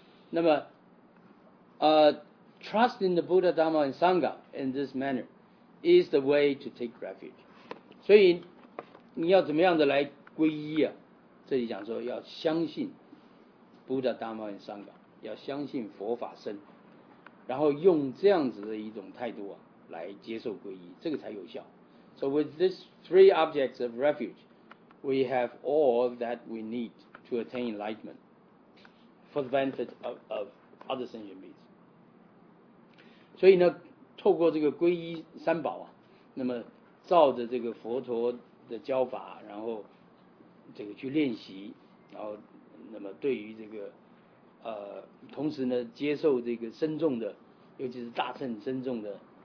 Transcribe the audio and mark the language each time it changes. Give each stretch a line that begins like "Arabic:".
Chinese: 那么，
English: trust in the Buddha, Dharma, and Sangha in this manner is the way to take refuge。
Chinese: 所以你要怎么样的来皈依啊？这里讲说要相信 Buddha, Dharma, and Sangha， 要相信佛法僧，然后用这样子的一种态度啊。来接受皈依，这个才有效。
English: So with these three objects of refuge, we have all that we need to attain enlightenment for the benefit of other sentient beings.
Chinese: 所以呢，透过这个皈依三宝啊，那么照着这个佛陀的教法，然后这个去练习，然后那么对于这个同时呢，接受这个僧众的，尤其是大乘僧众的。